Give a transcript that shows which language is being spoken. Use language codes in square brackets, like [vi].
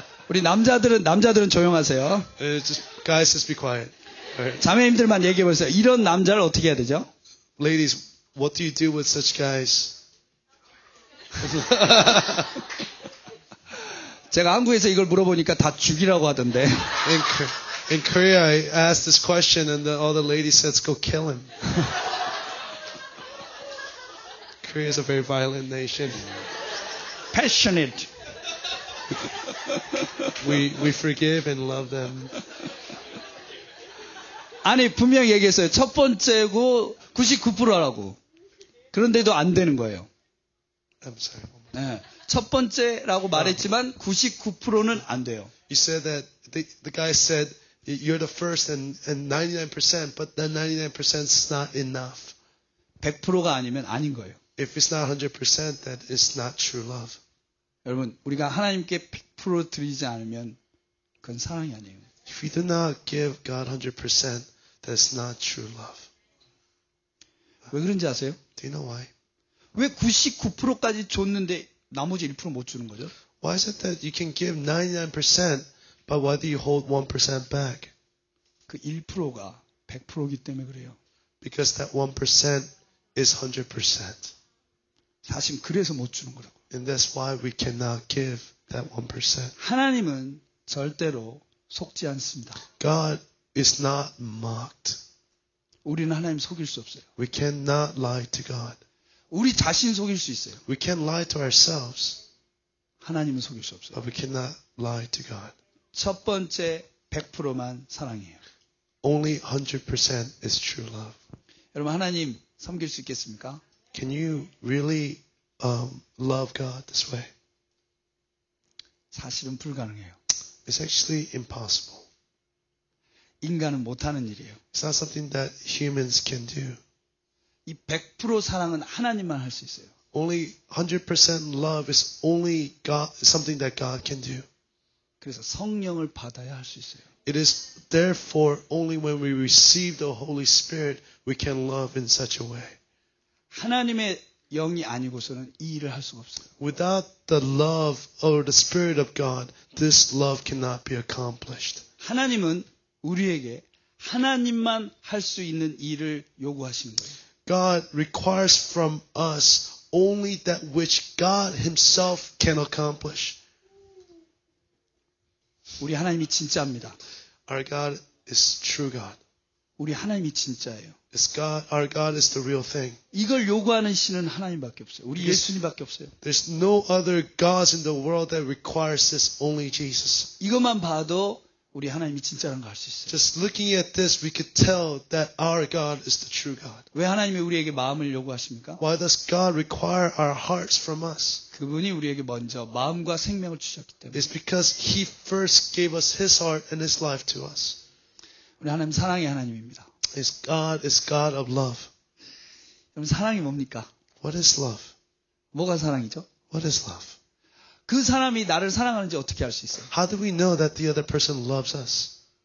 [ko] 우리 남자들은 조용하세요. [en] Guys, just be quiet. Right. [ko] 자매님들만 얘기해 보세요. 이런 남자를 어떻게 해야 되죠? [en] Ladies, what do you do with such guys? [ko] 제가 한국에서 이걸 물어보니까 다 죽이라고 하던데. [en] In Korea, I asked this question and all the ladies said, go kill him. Korea is a very violent nation. Passionate. We forgive and love them. [ko] 아니, 분명히 얘기했어요. 첫 번째고 99%라고. 그런데도 안 되는 거예요. [en] I'm sorry. [ko] 네. 첫 번째라고 말했지만 99%는 안 돼요. [en] You said that the guy said you're the first and 99%, but that 99% is not enough. [ko] 100%가 아니면 아닌 거예요. [en] If it's not 100%, that is not true love. [ko] 여러분, 우리가 하나님께 100% 드리지 않으면 그건 사랑이 아니에요. [en] If you do not give God 100%, that's not true love. [ko] 왜 그런지 아세요? [en] Do you know why? [ko] 왜 99%까지 줬는데 나머지 1% 못 주는 거죠? [en] Why is it that you can give 99%, but why do you hold 1% back? [ko] 그 1%가 100%이기 때문에 그래요. [en] Because that 1% is 100%. [ko] 사실 그래서 못 주는 거라고. [en] And that's why we cannot give that 1%. [ko] 하나님은 절대로 속지 않습니다. [en] God is not mocked. [ko] 우리는 하나님 속일 수 없어요. [en] We cannot lie to God. [ko] 우리 자신 속일 수 있어요. [en] We can lie to ourselves. [ko] 하나님은 속일 수 없어요. [en] But we cannot lie to God. [ko] 첫 번째 100%만 사랑이에요. [en] Only 100% is true love. [ko] 여러분 하나님 섬길 수 있겠습니까? [en] Can you really love God this way? [ko] 사실은 불가능해요. [en] It's actually impossible. [ko] 인간은 못 하는 일이에요. [en] It's not something that humans can do. [ko] 이 100% 사랑은 하나님만 할 수 있어요. [en] Only 100% love is only God, something that God can do. [ko] 그래서 성령을 받아야 할 수 있어요. [en] It is therefore only when we receive the Holy Spirit we can love in such a way. [ko] 하나님의 영이 아니고서는 이 일을 할 수가 없어요. [en] Without the love or the Spirit of God, this love cannot be accomplished. [ko] 하나님은 우리에게 하나님만 할 수 있는 일을 요구하시는 거예요. [en] God requires from us only that which God himself can accomplish. [ko] 우리 하나님이 진짜입니다. [en] Our God is true God. [ko] 우리 하나님이 진짜예요. [en] It's God, our God is the real thing. [ko] 이걸 요구하는 신은 하나님밖에 없어요. 우리 예수님밖에 없어요. [en] There's no other gods in the world that requires this, only Jesus. [ko] 이것만 봐도 우리 하나님이 진짜라는 걸 알 수 있어요. [en] Just looking at this, we could tell that our God is the true God. [ko] 왜 하나님이 우리에게 마음을 요구하십니까? [en] Why does God require our hearts from us? [ko] 그분이 우리에게 먼저 마음과 생명을 주셨기 때문에. [en] It's because He first gave us His heart and His life to us. [ko] 우리 하나님 사랑의 하나님입니다. [en] Is God is God of love. [ko] 그럼 사랑이 뭡니까? [en] What is love? [ko] 뭐가 사랑이죠? [en] What is love? [ko] 그 사람이 나를 사랑하는지 어떻게 알 수 있어요? [en] How do we know that the other person loves us?